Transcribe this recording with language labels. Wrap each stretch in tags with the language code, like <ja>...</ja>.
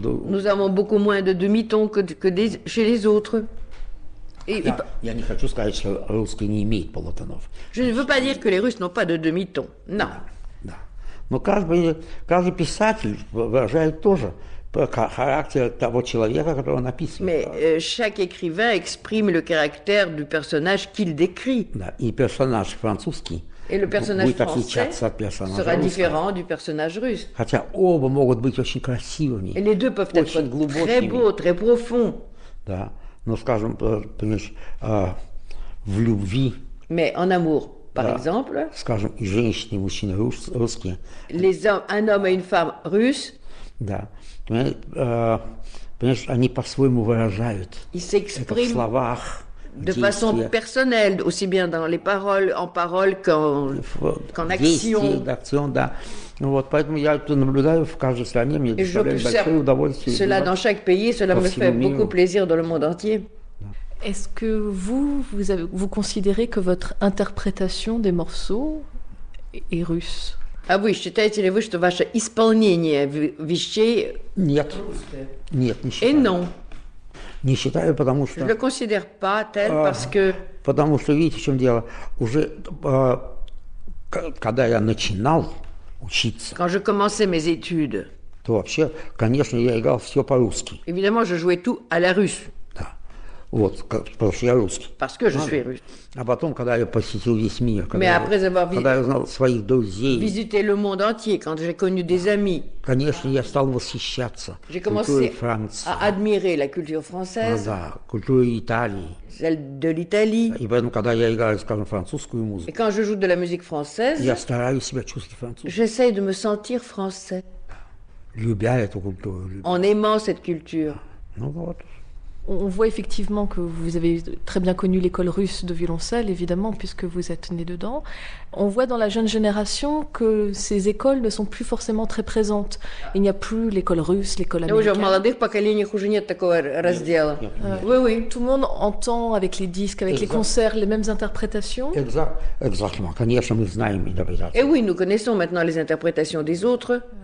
<fr>Nous avons beaucoup moins de demi-tons que chez les autres.</fr> <ru>Я не хочу сказать, что русский не имеет полутонов.</ru> <fr>Je ne veux pas dire que les Russes n'ont pas de demi-ton. Non.</fr> <ru>Да. Но каждый писатель выражает тоже характер того человека, которого написано.</ru> <fr>Mais chaque écrivain exprime le caractère du personnage qu'il décrit.</fr> <ru>Да, и персонаж французский.</ru> <fr>Et le personnage français</fr> <ru>отличаться от персонажа</ru> <fr>sera différent du personnage russe.</fr> <ru>Хотя оба могут быть очень красивыми.</ru> <fr>Les deux peuvent être</fr> <ru>очень глубокими.</ru> <fr>Très beaux, très profonds.</fr> <ru>Да. Ну, скажем, в любви.</ru> <fr>Mais en amour, par exemple.</fr> <ru>Скажем, и женщины, и мужчины русские.</ru> <fr>Les hommes, un homme et une femme russes.</fr> <ru>Да. Понимаешь, они по-своему выражают.</ru> <fr>Ils s'expriment</fr> <ru>в словах.</ru> <fr>De façon personnelle, aussi bien dans les paroles, en paroles qu'en action. D'action,</fr> <ru>да. Ну вот, поэтому я это наблюдаю в каждой стране, мне доставляет большое удовольствие.</ru> <fr>Cela dans chaque pays, cela me fait beaucoup plaisir dans le monde entier. Est-ce que vous considérez que votre interprétation des morceaux est russe?</fr> <ru>А вы считаете ли вы, что ваше исполнение вещей? Нет. Нет, не считаю.</ru> <fr>Et non.</fr> <ru>Не считаю, потому что.</ru> <fr>Je le considère pas tel parce que.</fr> <ru>Потому что видите, в чем дело? Уже когда я начинал учиться.</ru> <fr>Quand je commençais mes études.</fr> <ru>То вообще, конечно, я играл все по-русски.</ru> <fr>Évidemment, je jouais tout à la russe.</fr> <ru>Да. Вот, потому что я русский.</ru> <fr>Parce que je suis russe.</fr> <ru>А потом, когда я посетил весь мир, когда я знал своих друзей.</ru> <fr>Visité le monde entier, quand j'ai connu des amis.</fr> <ru>Конечно, я стал восхищаться культурой Франции.</ru> <fr>À admirer la culture française.</fr> <ru>Да, культурой Италии.</ru> <fr>Celle de l'Italie.</fr> <ru>И поэтому, когда я играю, скажем, французскую музыку.</ru> <fr>Et quand je joue de la musique française.</fr> <ru>Я стараюсь себя чувствовать французским.</ru> <fr>J'essaie de me sentir français.</fr> <ru>Любя эту культуру. Любя.</ru> <fr>En aimant cette culture.</fr> <ru>Ну вот.</ru> <fr>On voit effectivement que vous avez très bien connu l'école russe de violoncelle, évidemment, puisque vous êtes né dedans. On voit dans la jeune génération que ces écoles ne sont plus forcément très présentes. Il n'y a plus l'école russe, l'école américaine.</fr> <ru>В молодых поколениях уже нет такого раздела.</ru> <fr>Oui, oui. Tout le monde entend avec les disques, avec les concerts, les mêmes interprétations. Exactement.</fr> <ru>Конечно, мы знаем</ru> <fr>interprétations. Et oui, nous connaissons maintenant les interprétations des autres.</fr>